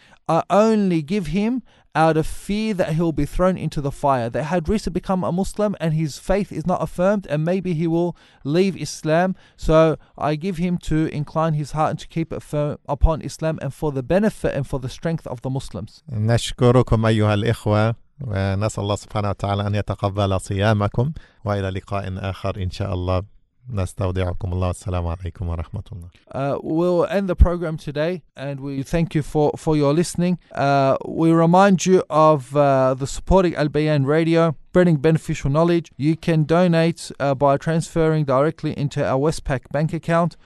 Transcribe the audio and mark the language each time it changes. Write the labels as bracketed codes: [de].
[en] I only give him out of fear that he'll be thrown into the fire. They had recently become a Muslim and his faith is not affirmed, and maybe he will leave Islam. So I give him to incline his heart and to keep it firm upon Islam and for the benefit and for the strength of the Muslims. [ar] نشكركم أيها الإخوة ونسأل الله سبحانه وتعالى أن يتقبل صيامكم وإلى لقاء آخر إن شاء الله. نستودعكم الله والسلام عليكم ورحمة الله. [en] We'll end the program today, and we thank you for your listening. We remind you of the supporting Al Bayan Radio, spreading beneficial knowledge. You can donate by transferring directly into our Westpac bank account.